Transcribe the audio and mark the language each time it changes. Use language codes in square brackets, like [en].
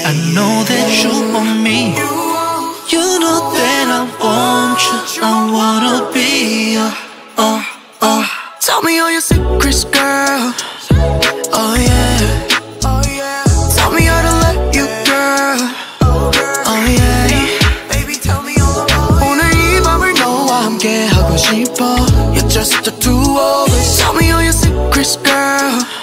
[en] I know that you want me. You know that I want you. I wanna be Tell me all your secrets, girl. Oh yeah. Oh yeah. Tell me how to let you, girl. Oh yeah. Baby, tell me all about it. [ko] 오늘 이 밤을 너와 함께 하고 싶어. [en] You're just the two of us. Tell me all your secrets, girl.